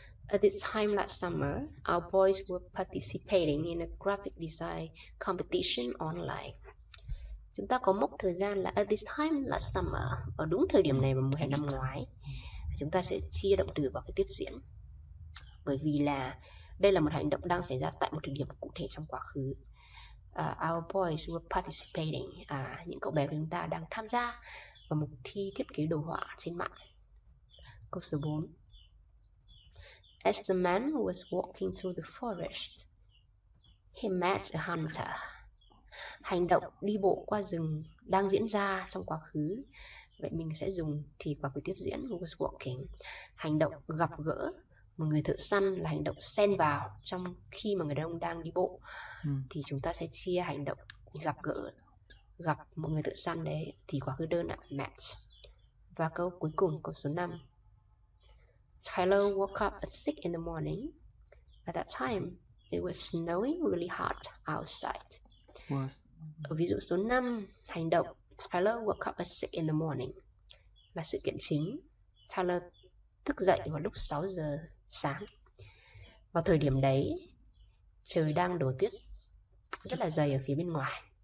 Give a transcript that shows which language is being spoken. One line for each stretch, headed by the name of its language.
English: At this time last summer, our boys were participating in a graphic design competition online.
Vietnamese: Chúng ta có mốc thời gian là
English: at this time last summer,
Vietnamese: vào đúng thời điểm này vào mùa hè năm ngoái. Chúng ta sẽ chia động từ vào cái tiếp diễn, bởi vì là đây là một hành động đang xảy ra tại một thời điểm cụ thể trong quá khứ.
English: Our boys were participating.
Vietnamese: Những cậu bé của chúng ta đang tham gia vào một thi thiết kế đồ họa trên mạng. Câu số 4.
English: As the man was walking through the forest, he met a hunter.
Vietnamese: Hành động đi bộ qua rừng đang diễn ra trong quá khứ. Vậy mình sẽ dùng thì quá khứ tiếp diễn
English: was walking.
Vietnamese: Hành động gặp gỡ một người thợ săn là hành động xen vào trong khi mà người đàn ông đang đi bộ. Thì chúng ta sẽ chia hành động gặp gỡ, gặp một người thợ săn đấy thì quá khứ đơn là met. Và câu cuối cùng, câu số 5.
English: Tyler woke up at 6 in the morning. At that time, it was snowing really hard outside.
Vietnamese: Ở ví dụ số 5, hành động
English: Tyler woke up at 6 in the morning
Vietnamese: là sự kiện chính. Tyler thức dậy vào lúc 6 giờ sáng. Vào thời điểm đấy, trời đang đổ tuyết rất là dày ở phía bên ngoài.